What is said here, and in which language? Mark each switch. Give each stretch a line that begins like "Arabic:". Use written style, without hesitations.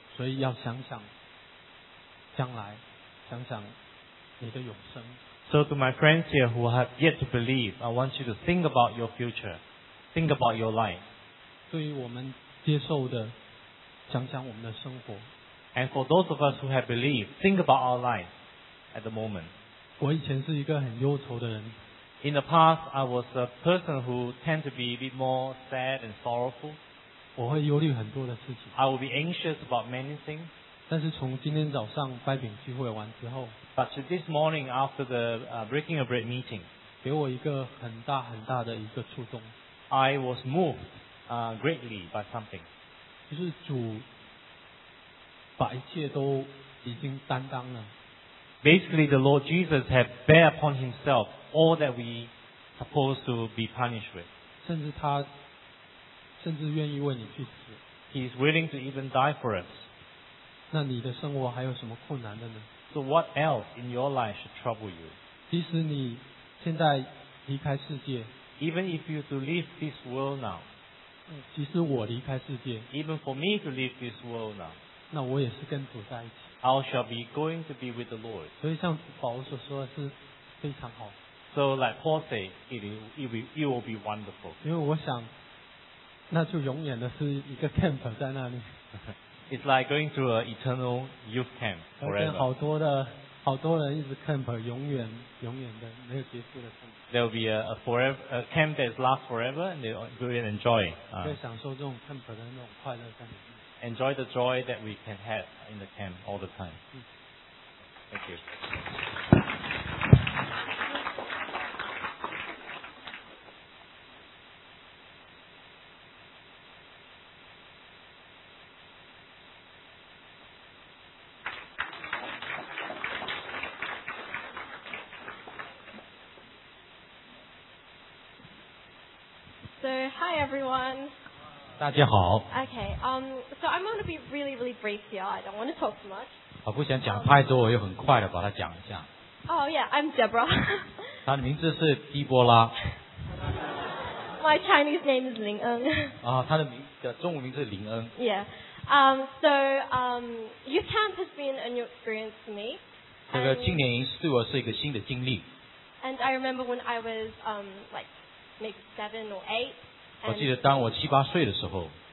Chinese: 所以要想想将来，想想你的永生。
English: So to my friends here who have yet to believe, I want you to think about your future, think about your life.
Chinese: 对于我们接受的，想想我们的生活。
English: And for those of us who have believed, think about our life at the moment.
Chinese: 我以前是一个很忧愁的人。
English: In the past, I was a person who tend to be a bit more sad and sorrowful.
Chinese: 我会忧虑很多的事情。
English: I will be anxious about many things.
Chinese: 但是从今天早上掰饼聚会完之后
English: ，But this morning after the breaking of bread meeting,
Chinese: 给我一个很大很大的一个触动。
English: I was moved greatly by something.
Chinese: 就是主把一切都已经担当了。
English: Basically, the Lord Jesus had bear upon himself all that we supposed to be punished with.
Chinese: 甚至愿意为你去死。
English: He is willing to even die for us.
Chinese: 那你的生活还有什么困难的呢？
English: So what else in your life should trouble you?
Chinese: 即使你现在离开世界。
English: Even if you to leave this world now.
Chinese: 即使我离开世界。
English: Even for me to leave this world now.
Chinese: 那我也是跟主在一起。
English: I shall be going to be with the Lord.
Chinese: 所以像保罗所说的是非常好。
English: So like Paul said, it will be wonderful.
Chinese: 因为我想，那就永远的是一个 camp 在那里。
English: It's like going to an eternal youth camp forever.
Chinese: 而且好多的，好多人一直 camp， 永远永远的没有结束的 camp。
English: There will be a camp that lasts forever, and they will enjoy.
Chinese: 在享受这种 camp 的那种快乐感。
English: Enjoy the joy that we can have in the camp all the time. Thank you. So, hi everyone.
Chinese: 大家好。
English: Okay, so I'm going to be really, really brief here. I don't want to talk too much.
Chinese: 我不想讲太多，我又很快的把它讲一下。
English: Oh yeah, I'm Deborah.
Chinese: 她的名字是迪波拉。
English: My Chinese name is 林恩。
Chinese: 啊，她的名的中文名字是林恩。
English: Yeah, so youth camp has been a new experience for me.
Chinese: 这个青年营对我是一个新的经历。
English: And I remember when I was like maybe 7 or 8.
Chinese: 我记得当我七八岁的时候